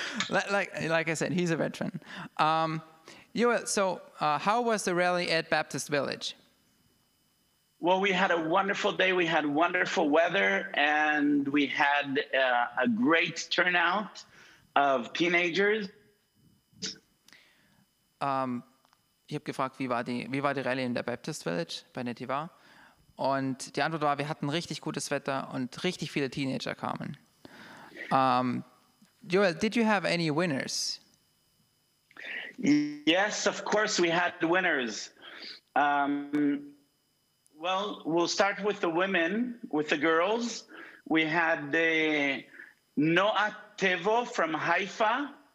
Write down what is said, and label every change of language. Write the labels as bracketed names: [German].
[English] Like I said, he's a veteran. How was the rally at Baptist Village? Well, we had a wonderful day. We had wonderful weather, and we had a great turnout of teenagers. [German] Ich habe gefragt, wie war die Rally in der Baptist Village bei Nativa? Und die Antwort war, wir hatten richtig gutes Wetter und richtig viele Teenager kamen. [English] Joel, did you have any winners? Yes, of course we had the winners. Well, we'll start with the women, with the girls. We had the Noah Tevo from Haifa.